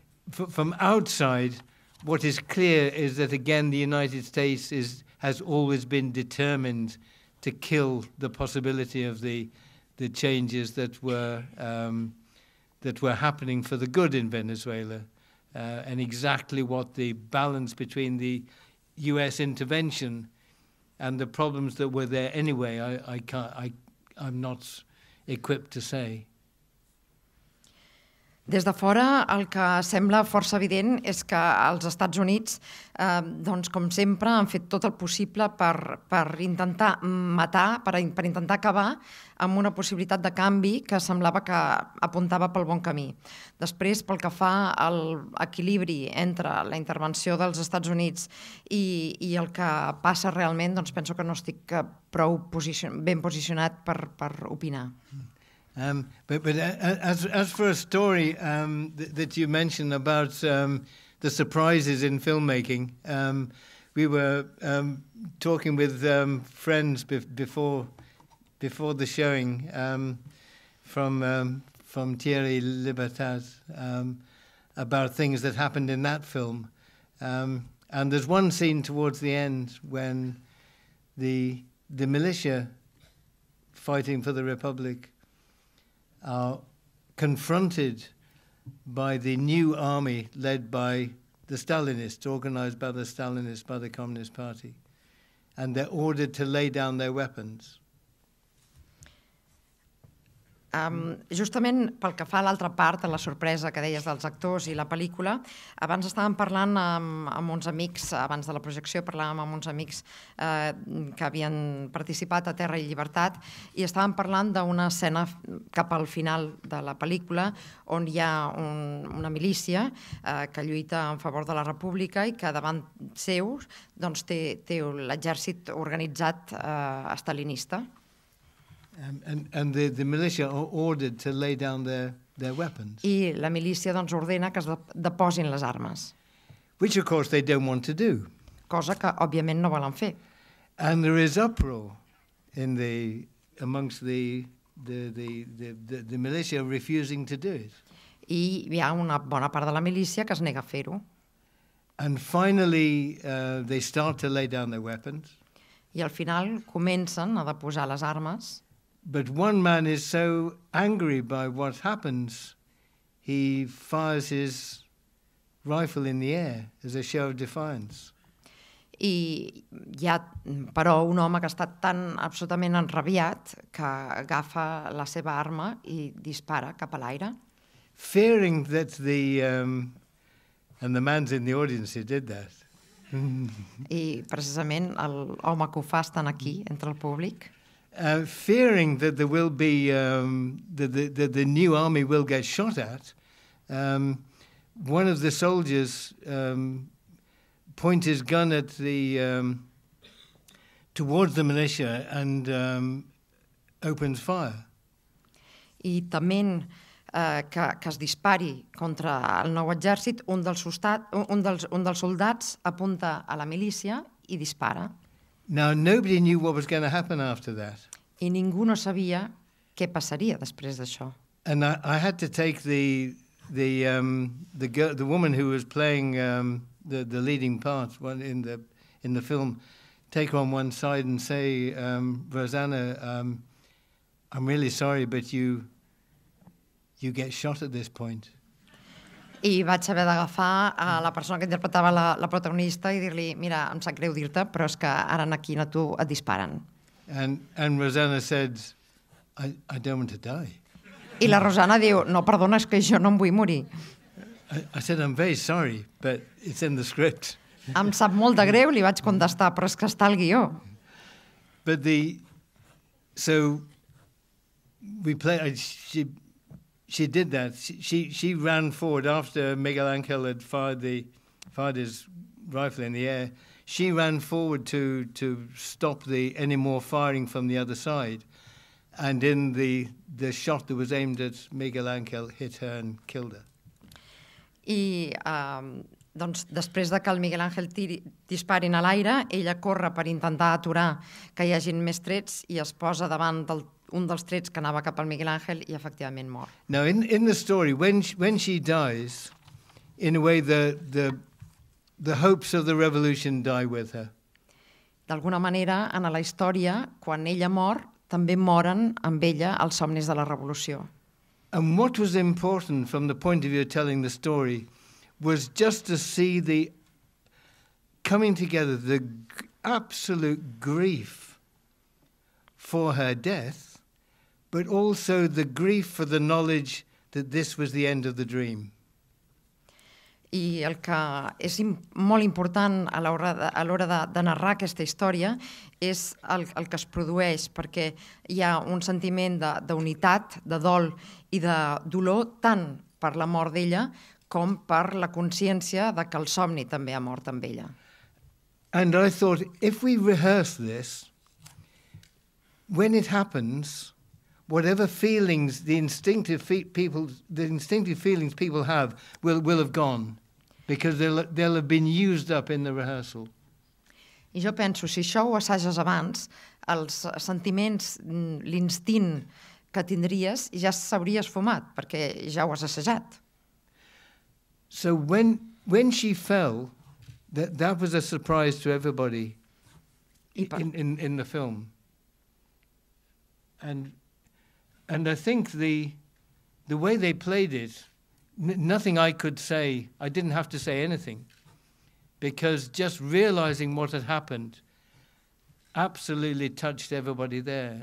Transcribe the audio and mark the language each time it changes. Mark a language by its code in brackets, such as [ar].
[en] From outside, what is clear is that again the United States has always been determined to kill the possibility of the changes that were happening for the good in Venezuela. And exactly what the balance between the U.S. intervention and the problems that were there anyway, I'm not equipped to say. [ca] Des de fora, el que sembla força evident és que els Estats Units, doncs, com sempre, han fet tot el possible per intentar matar, per intentar acabar amb una possibilitat de canvi que semblava que apuntava pel bon camí. Després, pel que fa a l'equilibri entre la intervenció dels Estats Units i el que passa realment, doncs penso que no estic prou ben posicionat per opinar. [en] But as for a story that you mentioned about the surprises in filmmaking, we were talking with friends before the showing from Thierry Libertas about things that happened in that film, and there's one scene towards the end when the militia fighting for the Republic are confronted by the new army led by the Stalinists, organized by the Stalinists, by the Communist Party, and they're ordered to lay down their weapons. [ca] Justament pel que fa a l'altra part, a la sorpresa que deies dels actors i la pel·lícula, abans estàvem parlant amb uns amics, abans de la projecció parlàvem amb uns amics que havien participat a Terra i Llibertat, i estàvem parlant d'una escena cap al final de la pel·lícula on hi ha una milícia que lluita en favor de la República i que davant seu doncs, té l'exèrcit organitzat estalinista. [en] And the militia are ordered to lay down their weapons. [ca] I la milícia doncs ordena que es deposin les armes. [en] Which of course they don't want to do. [ca] Cosa que òbviament no volen fer. [en] And there is uproar amongst the militia refusing to do it. [ca] I hi ha una bona part de la milícia que es nega a fer-ho. [en] And finally they start to lay down their weapons. [ca] I al final comencen a deposar les armes. [en] But one man is so angry by what happens, he fires his rifle in the air as a show of defiance. [ca] I hi ha, però, un home que ha estat tan absolutament enrabiat que agafa la seva arma i dispara cap a l'aire. [en] Fearing that the... And the man's in the audience who did that. [ca] I precisament l'home que ho fa estan aquí, entre el públic. [en] Fearing that there will be that the new army will get shot at, one of the soldiers points his gun at the towards the militia and opens fire. [ca] I tement que es dispari contra el nou exèrcit, un dels soldats apunta a la milícia i dispara. [en] Now nobody knew what was going to happen after that. [ca] I ningú no sabia què passaria després d'això. [en] And I had to take the woman who was playing the leading part in the film, take her on one side and say, Rosanna, I'm really sorry, but you get shot at this point. [ca] I vaig haver d'agafar a la persona que interpretava la protagonista i dir-li, mira, em sap greu dir-te, però és que ara aquí a tu et disparen. [en] And Rosanna said, I don't want to die. [ca] I la Rosanna diu, no, perdona, és que jo no em vull morir. [en] I said, I'm very sorry, but it's in the script. [ca] Em sap molt de greu, li vaig contestar, però és que està al guió. [en] But the... So, we play... She did that. She ran forward after Miguel Angel had fired his rifle in the air. She ran forward to stop the any more firing from the other side, and in the shot that was aimed at Miguel Angel hit her and killed her. [ca] I doncs després de que el Miguel Angel disparin a l'aire, ella corre per intentar aturar que hi hagin més trets i es posa davant d'un dels trets que anava cap al Miguel Angel i efectivament mor. [en] Now in the story when she dies, in a way the hopes of the revolution die with her. [ca] D'alguna manera, en la història, quan ella mor, també moren amb ella els somnis de la revolució. [en] And what was important from the point of view of telling the story was just to see the coming together, the absolute grief for her death, but also the grief for the knowledge that this was the end of the dream. [ca] I el que és molt important a l'hora de narrar aquesta història és el que es produeix, perquè hi ha un sentiment d'unitat, de dol i de dolor, tant per la mort d'ella com per la consciència de que el somni també ha mort amb ella. [en] And I thought, if we rehearse this, when it happens, whatever feelings, the instinctive feelings people have will have gone, because they'll have been used up in the rehearsal. [ca] I jo penso, si això ho assages abans, els sentiments, l'instint que tindries, ja s'hauria esfumat, perquè ja ho has assajat. [en] So when she fell, that was a surprise to everybody in the film. And I think the way they played it, nothing I could say, I didn't have to say anything, because just realizing what had happened absolutely touched everybody there.